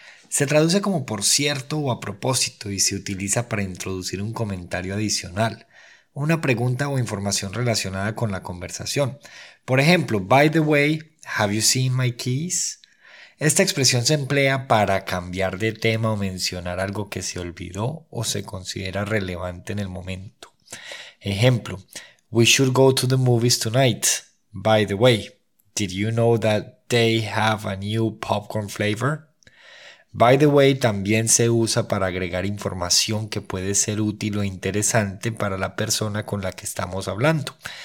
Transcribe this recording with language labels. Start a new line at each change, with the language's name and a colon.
Spanish: Se traduce como por cierto o a propósito y se utiliza para introducir un comentario adicional, una pregunta o información relacionada con la conversación.
English: Por ejemplo, by the way, have you seen my keys?
Spanish: Esta expresión se emplea para cambiar de tema o mencionar algo que se olvidó o se considera relevante en el momento.
English: Ejemplo, we should go to the movies tonight. By the way, did you know that they have a new popcorn flavor?
Spanish: By the way, también se usa para agregar información que puede ser útil o interesante para la persona con la que estamos hablando.